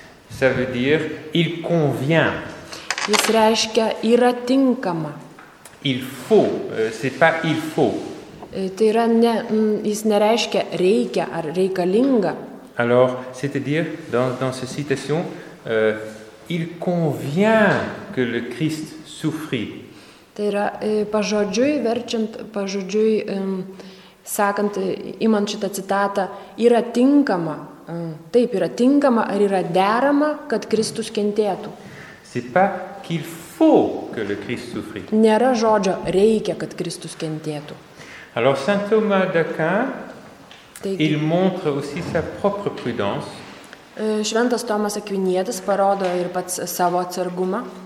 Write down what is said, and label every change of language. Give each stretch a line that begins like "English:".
French: Ça veut dire il convient.
Lithuanian: Jis reiškia yra tinkama.
French: Il faut, c'est pas il faut.
Lithuanian: Tai yra, ne, jis nereiškia reikia ar reikalinga.
French: Alors, c'est-à-dire, dans cette citation, il convient que le Christ souffrit.
Lithuanian: Tai yra, pažodžiui, verčiant, pažodžiui, sakant, imant šitą citatą, yra tinkama, taip, yra tinkama ar yra derama, kad Kristus kentėtų.
French: C'est pas qu'il faut que le Christ souffrit.
Lithuanian: Nėra žodžio reikia, kad Kristus kentėtų.
French: Alors Saint Thomas d'Aquin, il montre aussi sa propre prudence.
Lithuanian: Šventas Tomas Akvinietis parodo ir pats savo atsargumą.